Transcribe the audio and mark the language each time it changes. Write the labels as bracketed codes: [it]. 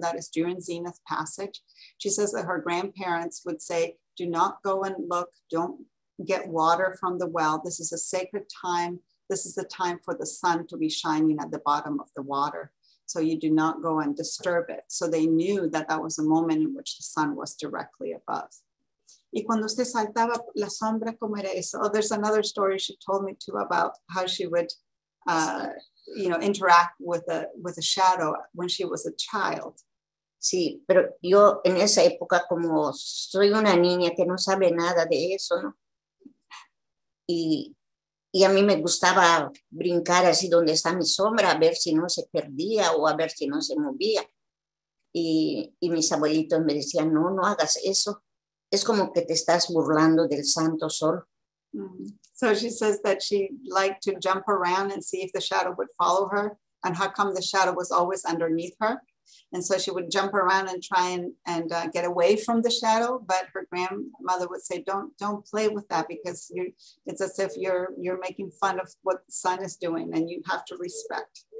[en] That is during zenith passage. She says that her grandparents would say, do not go and look, don't get water from the well. This is a sacred time. This is the time for the sun to be shining at the bottom of the water. So you do not go and disturb it. So they knew that that was a moment in which the sun was directly above. [es] Y cuando usted saltaba la sombra, ¿cómo era eso? [en] Oh, there's another story she told me too about how she would, interact with a shadow when she was a child. [es] Sí, pero yo en esa época como soy una niña que no sabe nada de eso, ¿no? Y a mí me gustaba brincar así donde está mi sombra, a ver si no se perdía o a ver si no se movía. Y mis abuelitos me decían, no, no hagas eso. Es como que te estás burlando del santo sol. [en] So she says that she liked to jump around and see if the shadow would follow her. And how come the shadow was always underneath her? And so she would jump around and try and get away from the shadow. But her grandmother would say, don't play with that, because it's as if you're making fun of what the sun is doing, and you have to respect.